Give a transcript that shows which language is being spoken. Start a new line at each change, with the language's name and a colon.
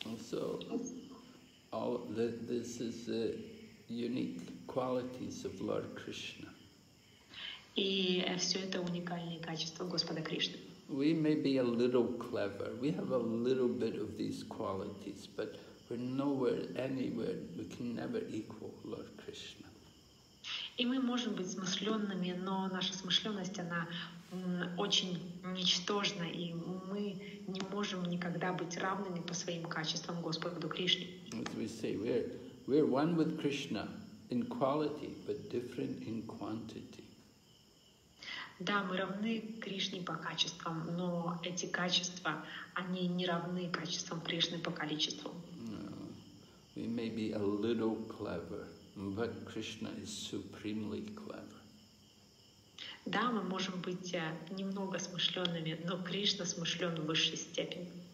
English: So, this is unique qualities of Lord Krishna.
Russian: И все это уникальные качества Господа Кришны.
English: We may be a little clever. We have a little bit of these qualities, but we're nowhere, anywhere. We can never equal Lord Krishna.
Russian: И мы можем быть смышленными, но наша смышленность она очень ничтожна, и мы не можем никогда быть равными по своим качествам Господу Кришне.
English: As we say, we're one with Krishna in quality, but different in quantity.
Russian: Да, мы равны Кришне по качествам, но эти качества, они не равны качествам Кришны по количеству.
English: No. We may be a little clever, but Krishna is supremely clever.
Russian: Да, мы можем быть немного смышленными, но Кришна смышлен в высшей степени.